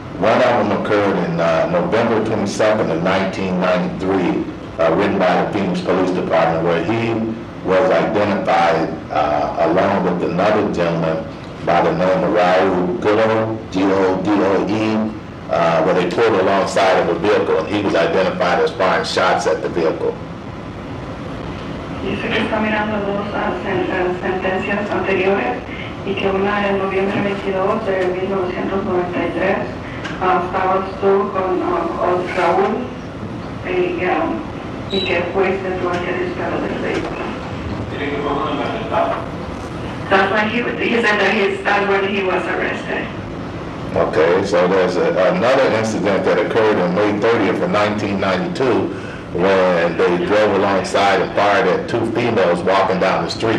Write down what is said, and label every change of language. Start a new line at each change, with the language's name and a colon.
English: One of them occurred in November 27th of 1993, written by the Phoenix Police Department, where he was identified along with another gentleman by the name of Raul Godoe, G-O-D-O-E, where they pulled alongside of a vehicle, and he was identified as firing shots at the vehicle.
Spanish: Dice que está mirando dos sentencias anteriores y que una en noviembre 22 de 1993 estaba tú con Raúl y que fuiste tú al que disparó del vehículo.
English: That's when he said that he stabbed when he was arrested. Okay, so there's another incident that occurred on May 30th of 1992 when they drove alongside and fired at two females walking down the street.